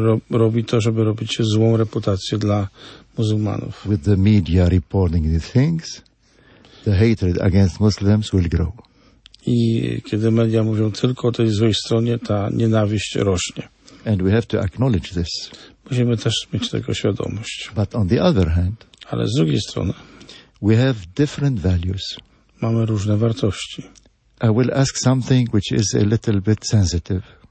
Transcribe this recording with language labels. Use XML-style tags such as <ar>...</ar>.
<pl>Robi to, żeby robić złą reputację dla muzułmanów.</pl> <en>With the media reporting these things, the hatred against Muslims will grow.</en> <pl>I kiedy media mówią tylko o tej złej stronie, ta nienawiść rośnie.</pl> <en>And we have to acknowledge this.</en> <pl>Musimy też mieć tego świadomość.</pl> <en>But on the other hand,</en> <pl>ale z drugiej strony,</pl> <en>we have different values.</en> <pl>Mamy różne wartości.</pl> <en>I will ask something which is a little bit sensitive.</en>